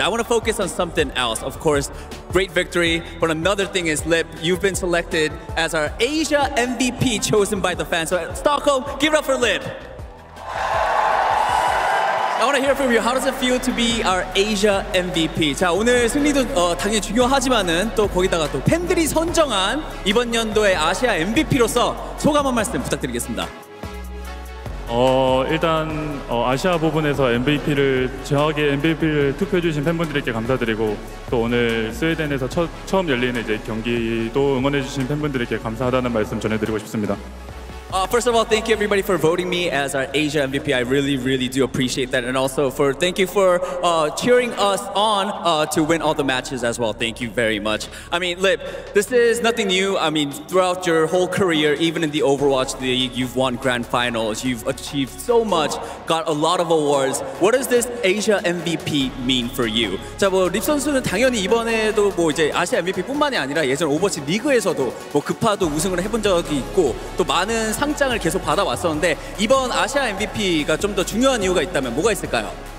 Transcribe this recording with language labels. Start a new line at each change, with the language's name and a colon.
English: I want to focus on something else. Of course, great victory. But another thing is, Lip, you've been selected as our Asia MVP chosen by the fans. So, Stockholm, give it up for Lip. I want to hear from you. How does it feel to be our Asia MVP?
Korean: 자, 오늘 승리도 당연히 중요하지만은 또 거기다가 또 팬들이 선정한 이번 연도의 아시아 MVP로서 소감 한 말씀 부탁드리겠습니다. 일단 아시아 부분에서 MVP를 정확히 MVP를 투표해 주신 팬분들께 감사드리고 또 오늘 스웨덴에서 처음 열리는 이제 경기도 응원해 주신 팬분들께 감사하다는 말씀 전해 드리고 싶습니다.
English: First of all, thank you everybody for voting me as our Asia MVP. I really, really do appreciate that. And also for thank you for cheering us on to win all the matches as well. Thank you very much. I mean, Lip, this is nothing new. I mean, throughout your whole career, even in the Overwatch League, you've won grand finals. You've achieved so much, got a lot of awards. What does this Asia MVP mean for you?
Korean: 자, 뭐 립 선수는 당연히 이번에도 뭐 이제 아시아 MVP뿐만이 아니라 예전 오버워치 리그에서도 뭐 급하도 우승을 해본 적이 있고 또 많은 상장을 계속 받아왔었는데 이번 아시아 MVP가 좀 더 중요한 이유가 있다면 뭐가 있을까요?